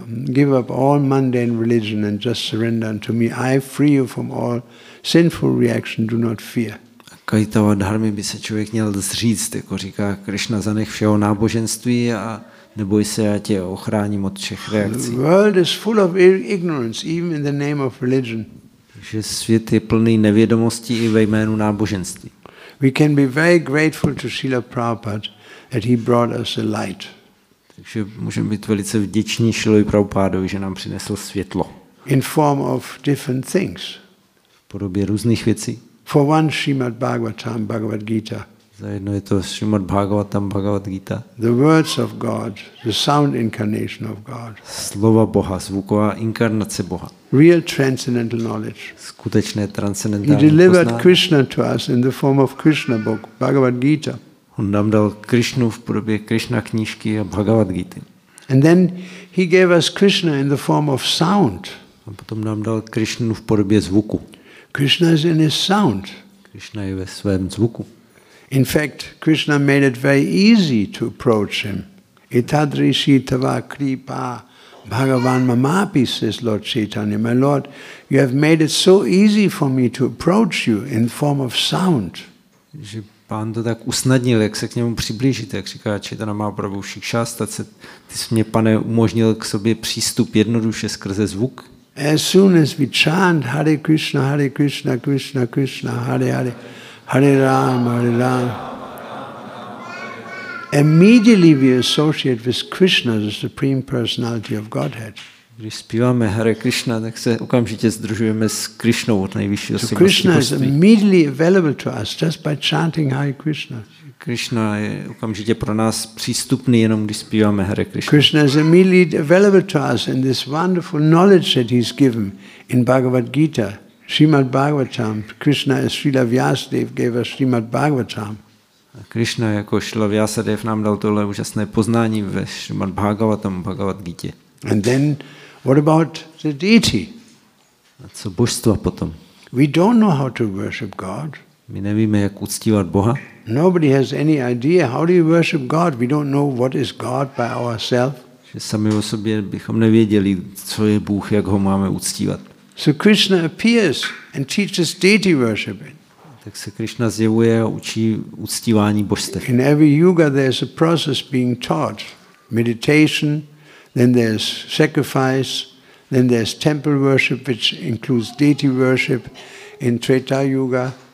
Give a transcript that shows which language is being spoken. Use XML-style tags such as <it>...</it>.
<en>Give up all mundane religion and just surrender unto me. I free you from all sinful reaction. Do not fear.</en> <cs>Kaitava Dharma by se člověk měl zříct, jako říká Krishna, zanech všeho náboženství a neboj se, já tě ochráním od všech reakcí.</cs> <en>The world is full of ignorance, even in the name of religion.</en> <cs>Že svět je plný nevědomostí i ve jménu náboženství.</cs> <en>We can be very grateful to Srila Prabhupada that he brought us a light.</en> <cs>Takže můžeme být velice vděční Srilovi Prabhupádovi, že nám přinesl světlo.</cs> <en>In form of different things.</en> <cs>V podobě různých věcí.</cs> <en>For one Srimad Bhagavatam, Bhagavad Gita.</en> <cs>Zajedno je to Srimad Bhagavatam, Bhagavad Gita.</cs> <en>The words of God, the sound incarnation of God.</en> <cs>Slova Boha, zvuková inkarnace Boha.</cs> <en>Real transcendental knowledge.</en> <cs>Skutečné transcendentální poznání.</cs> <en>He delivered Krishna to us in the form of Krishna book, Bhagavad Gita.</en> <cs>On nám dal Krishnu v podobě Krishna knížky a Bhagavad Gita.</cs> <en>And then he gave us Krishna in the form of sound.</en> <cs>A potom nám dal Krishnu v podobě zvuku.</cs> <en>Krishna is in his sound.</en> <cs>Krishna je ve svém zvuku.</cs> <en>In fact, Krishna made it very easy to approach him.</en> <sa>Itadrishi tava kripa Bhagavan mamapi,</sa> <en>says Lord Chaitanya. My Lord, you have made it so easy for me to approach you in form of sound.</en> <cs>Že pán to tak usnadnil, jak se k němu přiblížit, jak říká Chaitanya Mahaprabhu, ty jsi mě, pane, umožnil k sobě přístup jednoduše skrze zvuk.</cs> <en>As soon as we chant Hare Krishna, Hare Krishna, Krishna Krishna, Hare Hare, Hare Rama, Hare Rama, immediately we associate with Krishna, the Supreme Personality of Godhead.</en> <cs>Když zpíváme Hare Krishna, tak se okamžitě združujeme s Krishnou, od nejvyššího osobnosti.</cs> <en>Krishna is immediately available to us just by chanting Hare Krishna.</en> <cs>Krishna je okamžitě pro nás přístupný, jenom když zpíváme Hare Krishna.</cs> <en>Krishna is immediately available to us in this wonderful knowledge that he's given in Bhagavad Gita. Srimad Bhagavatam, Krishna as Srila Vyasadeva gave us Srimad Bhagavatam.</en> <cs>A Krishna jako Srila Vyasadeva nám dal tohle úžasné poznání ve Srimad Bhagavatam, Bhagavad Gita.</cs> <en>And then, what about the deity?</en> <cs>A co božstva potom?</cs> <en>We don't know how to worship God.</en> <cs>My nevíme, jak uctívat Boha.</cs> <en>Nobody has any idea how do you worship God. We don't know what is God by ourselves.</en> <cs>Že sami o sobě bychom nevěděli, co je Bůh, jak ho máme uctívat.</cs> <en>So Krishna appears and teaches deity worship.</en> <cs>Tak se Krishna zjevuje a učí uctívání božstev.</cs> <en>In every yuga there is a process being taught. meditation, then there's sacrifice, then there's temple worship, which includes deity worship in Treta Yuga.</en>